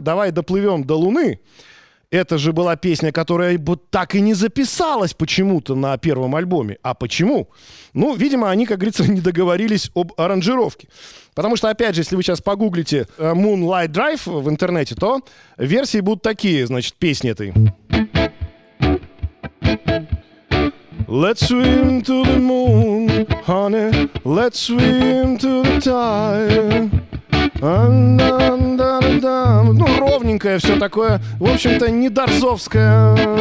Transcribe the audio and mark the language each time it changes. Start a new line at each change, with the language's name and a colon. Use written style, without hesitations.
Russian: «Давай доплывем до Луны». Это же была песня, которая бы так и не записалась почему-то на первом альбоме. А почему? Ну, видимо, они, как говорится, не договорились об аранжировке. Потому что, опять же, если вы сейчас погуглите Moonlight Drive в интернете, то версии будут такие, значит, песни этой.
English: Let's swim to the moon, honey, let's swim to the tide.
Russian: Ну, ровненькое все такое, в общем-то, не дарзовское.